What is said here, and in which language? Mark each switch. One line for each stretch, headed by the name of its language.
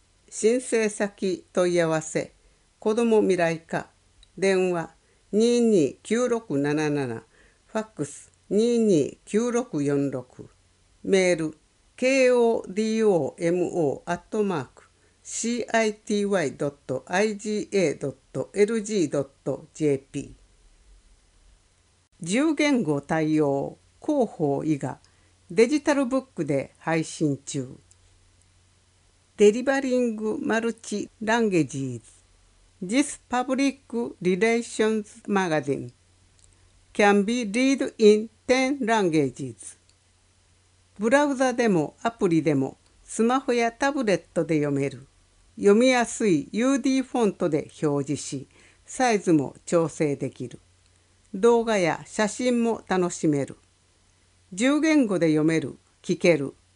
Japanese: 申請先問い合わせ、子ども未来課、電話229677、ファックス229646、メール kodomo@city.iga.lg.jp。 10言語対応、広報以外デジタルブックで配信中。
English: デリバリングマルチランゲージズ。 This public relations magazine can be read in 10 languages.
Japanese: ブラウザでもアプリでもスマホやタブレットで読める。読みやすい UD フォントで表示し、サイズも調整できる。動画や写真も楽しめる。10言語で読める、聞ける。